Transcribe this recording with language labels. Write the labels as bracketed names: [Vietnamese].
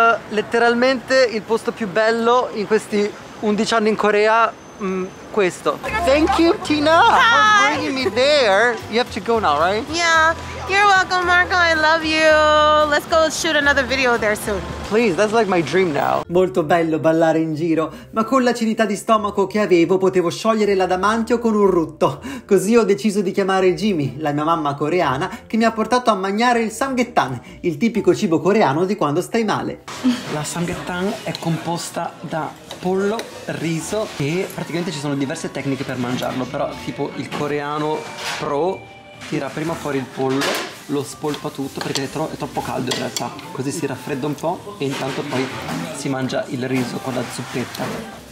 [Italian] Letteralmente il posto più bello in questi 11 anni in Corea, questo. [English] Thank you, Tina, for bringing me there. You have to go now, right? Yeah. You're welcome, Marco, I love you. Let's go shoot another video there soon. Please, that's like my dream now. [Italian] Molto bello ballare in giro, ma con l'acidità di stomaco che avevo potevo sciogliere l'adamantio con un rutto. Così ho deciso di chiamare Jimmy, la mia mamma coreana, che mi ha portato a mangiare il samgyetang, il tipico cibo coreano di quando stai male. La samgyetang è composta da pollo, riso, e praticamente ci sono diverse tecniche per mangiarlo, però tipo il coreano pro tira prima fuori il pollo, lo spolpa tutto perché è troppo caldo in realtà, così si raffredda un po', e intanto poi si mangia il riso con la zuppetta.